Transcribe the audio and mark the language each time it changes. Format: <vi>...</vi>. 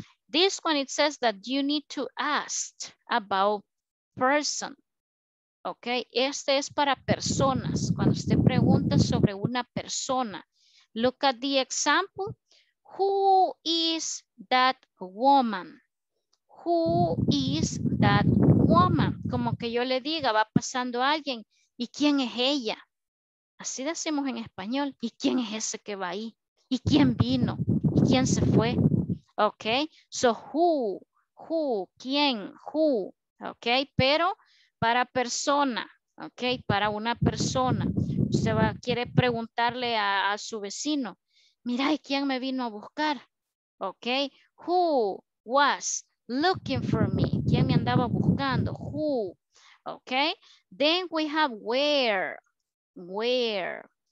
<en>This one, it says that you need to ask about person, okay?</en> <es>Este es para personas, cuando usted pregunta sobre una persona.</es> <en>Look at the example. Who is that woman? Who is that woman?</en> <es>Como que yo le diga, va pasando alguien, ¿y quién es ella? Así decimos en español, ¿y quién es ese que va ahí? ¿Y quién vino? ¿Y quién se fue? Okay, so who, quién, who, okay, pero para persona, okay, para una persona. Usted va, quiere preguntarle a su vecino, mira, ¿y quién me vino a buscar?</es> <en>Okay, who was looking for me,</en> <es>quién me andaba buscando,</es> <en>who, okay. Then we have where.</en>